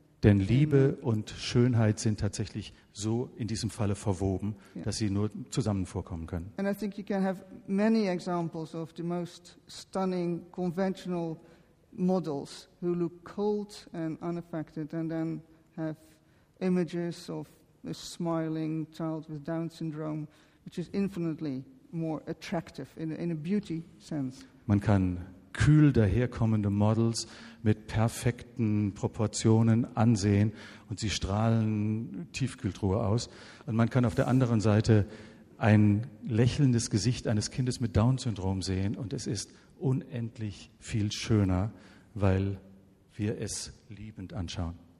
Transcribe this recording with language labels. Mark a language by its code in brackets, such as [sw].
[de] Denn Liebe und Schönheit sind tatsächlich so in diesem Falle verwoben, yeah, dass sie nur zusammen vorkommen können. [en] And I think you can have many examples of the most stunning conventional models who look cold and unaffected and then have images of a smiling child with Down syndrome, which is infinitely more attractive in a beauty sense. [de] Man kann kühl daherkommende Models mit perfekten Proportionen ansehen und sie strahlen Tiefkühltruhe aus. Und man kann auf der anderen Seite ein lächelndes Gesicht eines Kindes mit Down syndrome sehen und es ist unendlich viel schöner, weil wir es liebend anschauen.